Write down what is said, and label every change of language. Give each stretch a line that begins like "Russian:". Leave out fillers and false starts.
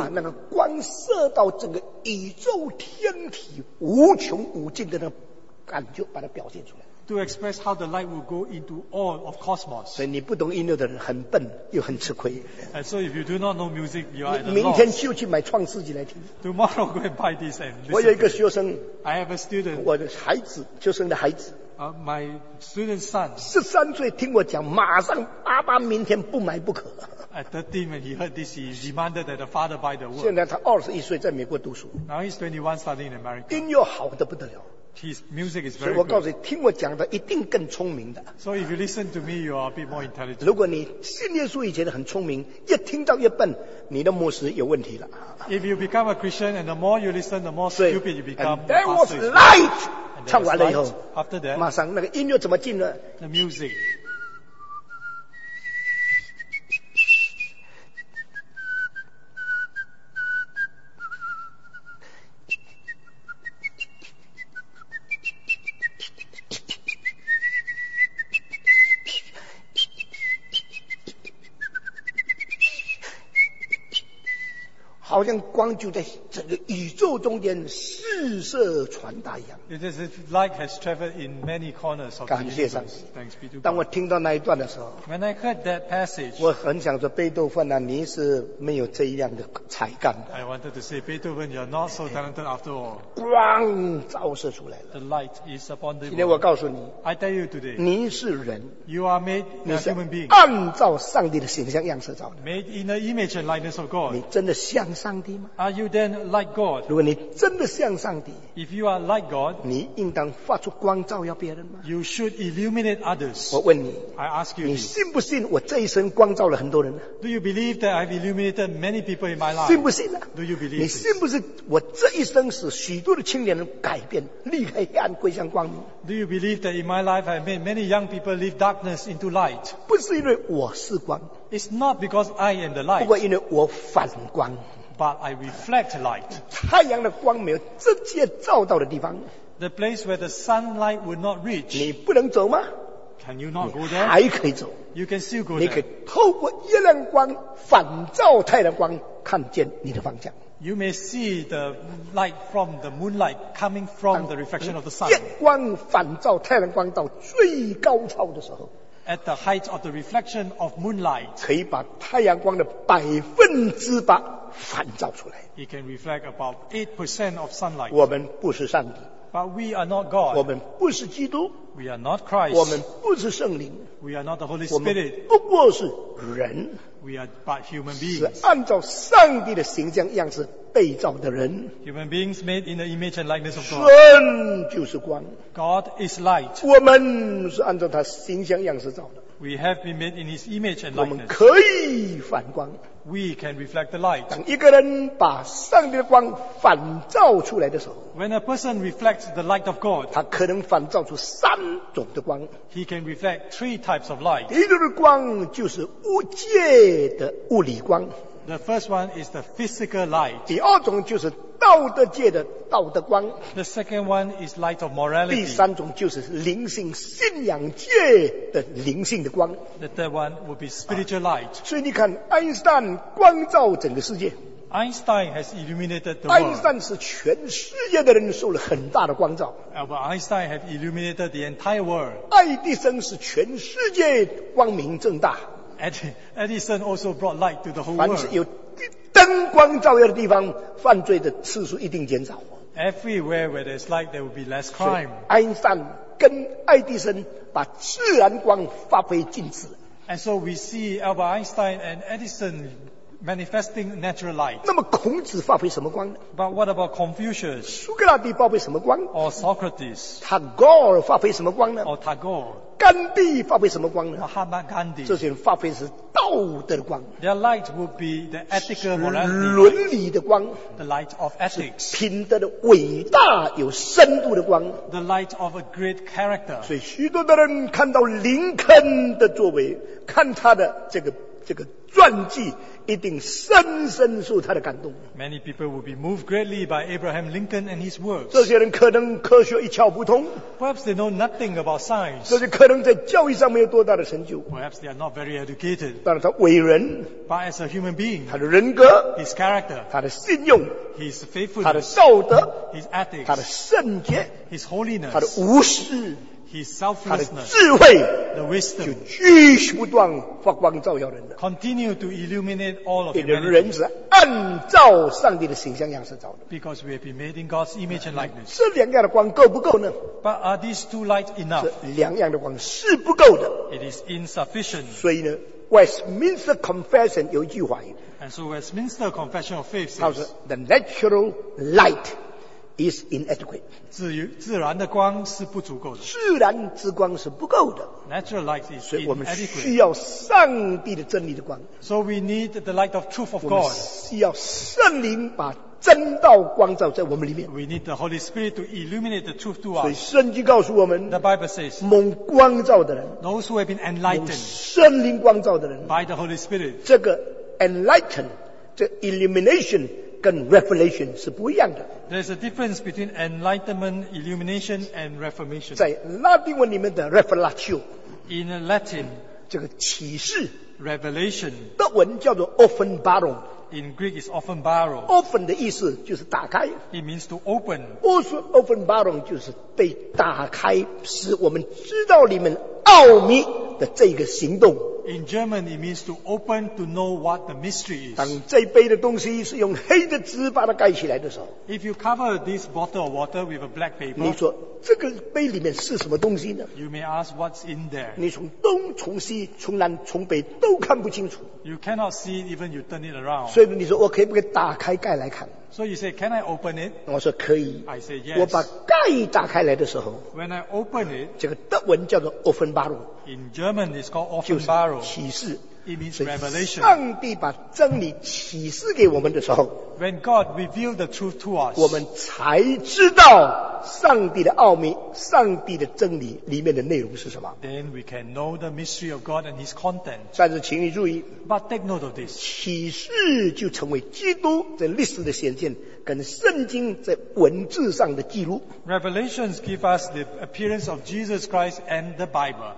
Chinese: 把那个光射到整个宇宙天体无穷无尽的那个感觉把它表现出来。
English: To express how the light will go into all of cosmos.
Chinese: 所以你不懂音乐的人很笨又很吃亏。
English: And so if you do not know music, you are at a loss.
Chinese: 明天就去买创世纪来听。
English: Tomorrow go and buy this and listen.
Chinese: 我有一个学生。
English: I have a student.
Chinese: 我的孩子，学生的孩子。
English: My student's son.
Chinese: 13岁听我讲，马上爸爸明天不买不可。
English: At 13, when he heard this, he demanded that the father buy the work.
Chinese: 现在他21岁在美国读书。
English: Now he's 21 studying in America.
Chinese: 音乐好得不得了。
English: His music is very
Chinese: 所以我告诉你，听我讲的一定更聪明的。
English: So if you listen to me, you are a bit more intelligent.
Chinese: 如果你信耶稣以前很聪明，越听到越笨，你的牧师有问题了。
English: If you become a Christian and the more you listen, the more stupid you become. And there was light.
Chinese: 唱完了以后，
English: After that,
Chinese: 马上那个音乐怎么进呢？
English: The music.
Chinese: 好像光就在整个宇宙中间四射传达一样。
English: It is light has traveled in many corners of the universe.
Chinese: 感谢上帝。
English: Thanks be to God.
Chinese: 当我听到那一段的时候，
English: When I heard that passage,
Chinese: 我很想说贝多芬啊，你是没有这样的才干的。
English: I wanted to say, Beethoven, you are not so talented after all.
Chinese: 光照射出来了。
English: The light is upon the world.
Chinese: 今天我告诉你，
English: I tell you today,
Chinese: 你是人，
English: you are made a human being.
Chinese: 你是按照上帝的形象样式造的。
English: Made in the image and likeness of God.
Chinese: 你真的像上帝吗？
English: Are you then like God?
Chinese: 如果你真的像上帝，
English: If you are like God,
Chinese: 你应当发出光照耀别人吗？
English: You should illuminate others.
Chinese: 我问你，
English: I ask you,
Chinese: 你信不信我这一生光照了很多人呢？
English: Do you believe that I've illuminated many people in my life?
Chinese: 信不信啊？
English: Do you believe?
Chinese: 你信不信我这一生使许多的青年人改变，离开黑暗归向光明？
English: Do you believe that in my life I've made many young people leave darkness into light?
Chinese: 不是因为我是光，
English: It's not because I am the light.
Chinese: 不过因为我反光。
English: But I reflect light.
Chinese: 太阳的光没有直接照到的地方。
English: The place where the sunlight would not reach.
Chinese: 你不能走吗？
English: Can you not go there?
Chinese: 还可以走。
English: You can still go there.
Chinese: 你可以透过月亮光反照太阳光，看见你的方向。
English: You may see the light from the moonlight coming from the reflection of the sun.
Chinese: 月光反照太阳光到最高潮的时候。
English: At the height of the reflection of moonlight,
Chinese: 可以把太阳光的百分之八反照出来。
English: It can reflect about 8% of sunlight.
Chinese: 我们不是上帝。
English: But we are not God.
Chinese: 我们不是基督。
English: We are not Christ.
Chinese: 我们不是圣灵。
English: We are not the Holy Spirit.
Chinese: 我们不过是人。
English: We are but human beings.
Chinese: 是按照上帝的形象样式被造的人。
English: Human beings made in the image and likeness of God.
Chinese: 神就是光。
English: God is light.
Chinese: 我们是按照他形象样式造的。
English: We have been made in his image and likeness.
Chinese: 我们可以反光。
English: We can reflect the light.
Chinese: 当一个人把上帝的光反照出来的时候，
English: When a person reflects the light of God,
Chinese: 他可能反照出三种的光。
English: He can reflect three types of light.
Chinese: 第一种的光就是物界的物理光。
English: The first one is the physical light.
Chinese: 第二种就是道德界的道德光。
English: The second one is light of morality.
Chinese: 第三种就是灵性信仰界的灵性的光。
English: The third one would be spiritual light.
Chinese: 所以你看，爱因斯坦光照整个世界。
English: Einstein has illuminated the world.
Chinese: 爱因斯坦是全世界的人受了很大的光照。
English: Albert Einstein has illuminated the entire world.
Chinese: 爱迪生是全世界光明正大。
English: Edison also brought light to the whole world.
Chinese: 凡是有灯光照耀的地方，犯罪的次数一定减少。
English: Everywhere where there's light, there will be less crime.
Chinese: 爱因斯坦跟爱迪生把自然光发挥尽致。
English: And so we see Albert Einstein and Edison manifesting natural light.
Chinese: 那么孔子发挥什么光呢？
English: But what about Confucius?
Chinese: 苏格拉底发挥什么光？
English: Or Socrates?
Chinese: Tagore 发挥什么光呢？
English: Or Tagore?
Chinese: 甘地发挥什么光呢？
English: Mahatma Gandhi,
Chinese: 这些人发挥是道德的光。
English: Their light would be the ethical morality,
Chinese: 伦理的光。
English: The light of ethics,
Chinese: 是品德的伟大有深度的光。
English: The light of a great character.
Chinese: 所以许多的人看到林肯的作为，看他的这个传记，一定深深受他的感动。
English: Many people will be moved greatly by Abraham Lincoln and his works.
Chinese: 这些人可能科学一窍不通。
English: Perhaps they know nothing about science.
Chinese: 这些可能在教育上没有多大的成就。
English: Perhaps they are not very educated.
Chinese: 但是他为人。
English: But as a human being.
Chinese: 他的人格。
English: His character.
Chinese: 他的信用。
English: His faithfulness.
Chinese: 他的道德。
English: His ethics.
Chinese: 他的圣洁。
English: His holiness.
Chinese: 他的无私。
English: His selflessness,
Chinese: 他的智慧
English: the wisdom,
Chinese: 就继续不断发光照耀人的
English: continue to illuminate all of humanity,
Chinese: 因为人是按照上帝的形象样式造的
English: because we have been made in God's image and likeness.
Chinese: 这两样的光够不够呢？
English: But are these two lights enough?
Chinese: 这两样的光是不够的
English: It is insufficient.
Chinese: 所以呢 Westminster Confession 有一句话
English: And so Westminster Confession of Faith says,
Chinese: 它是
English: the natural light. Is inadequate.
Chinese: 自然的光是不足够的。自然之光是不够的。
English: Natural light is inadequate.
Chinese: 所以我们需要上帝的真理的光。
English: So we need the light of truth of God.
Chinese: 我们需要圣灵把真道光照在我们里面。
English: We need the Holy Spirit to illuminate the truth to us.
Chinese: 所以圣经告诉我们
English: ，The Bible says,
Chinese: 蒙光照的人
English: ，Those who have been enlightened,
Chinese: 蒙圣灵光照的人
English: ，By the Holy Spirit,
Chinese: 这个 enlightened, 这 illumination。跟 revelation 是不一样的。
English: There's a difference between enlightenment, illumination, and reformation.
Chinese: 在拉丁文里面的 revelatio,
English: in Latin,
Chinese: 这个启示
English: revelation,
Chinese: 德文叫做 offenbarung,
English: in Greek is offenbarung.
Chinese: Offen 的意思就是打开。
English: It means to open.
Chinese: Also offenbarung 就是被打开，使我们知道里面奥秘的这个行动。
English: In German, it means to open to know what the mystery is.
Chinese: 当这杯的东西是用黑的纸把它盖起来的时候
English: ，If you cover this bottle of water with a black paper,
Chinese: 你说这个杯里面是什么东西呢
English: ？You may ask what's in there.
Chinese: 你从东从西从南从北都看不清楚
English: ，You cannot see it even you turn it around.
Chinese: 所以你说我可以不可以打开盖来看
English: ？So you say, can I open it?
Chinese: 我说可以。
English: I say yes.
Chinese: 我把盖打开来的时候
English: ，When I open it,
Chinese: 这个德文叫做 Offenbarung。
English: In German, it's called Offenbarung.
Chinese: 启示
English: It means revelation.
Chinese: 上帝把真理启示给我们的时候
English: When God revealed the truth to us,
Chinese: 我们才知道上帝的奥秘，上帝的真理里面的内容是什么。
English: Then we can know the mystery of God and His content.
Chinese: 但是请你注意
English: But take note of this.
Chinese: 启示就成为基督在历史的显现跟圣经在文字上的记录。
English: Revelations give us the appearance of Jesus Christ and the Bible.